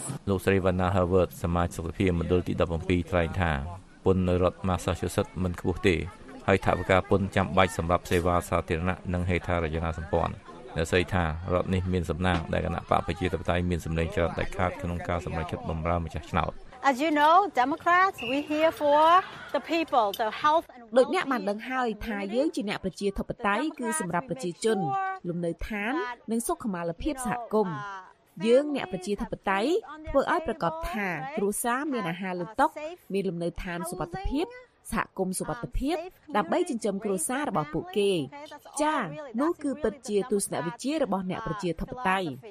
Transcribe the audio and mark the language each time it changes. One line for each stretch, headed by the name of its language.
Khmer: លោកស្រីវណ្ណាហាវើតសមាជិកសភាមណ្ឌលទី17ថ្លែងថាពន្ធនៅរដ្ឋ Massachusetts មិនខ្ពស់ទេហើយថវិកាពន្ធចាំបាច់សម្រាប់សេវាសាធារណៈនិងហេដ្ឋារចនាសម្ព័ន្ធអ្នកស្រីថារដ្ឋនេះមានសំណាងដែលគណៈបកប្រជាធិបតេយ្យមានសម្លេងច្រើនដាច់ខាតក្នុងការសម្រេចចិត្តបម្រើម្ចាស់ឆ្នោត
English: As you know, Democrats, we're here for the people, the health and well-being.
Khmer: ដូចអ្នកបានដឹងហើយថាយើងជាអ្នកប្រជាធិបតេយ្យគឺសម្រាប់ប្រជាជនលំនៅឋាននិងសុខុមាលភាពសហគមន៍យើងអ្នកប្រជាធិបតេយ្យធ្វើឲ្យប្រកបថាគ្រួសារមានអាហារលើតុមានលំនៅឋានសុវត្ថិភាពសហគមន៍សុវត្ថិភាពដើម្បីចិញ្ចឹមគ្រួសាររបស់ពួកគេចា៎នោះគឺពិតជាទស្សនវិជ្ជារបស់អ្នកប្រជាធិបតេយ្យ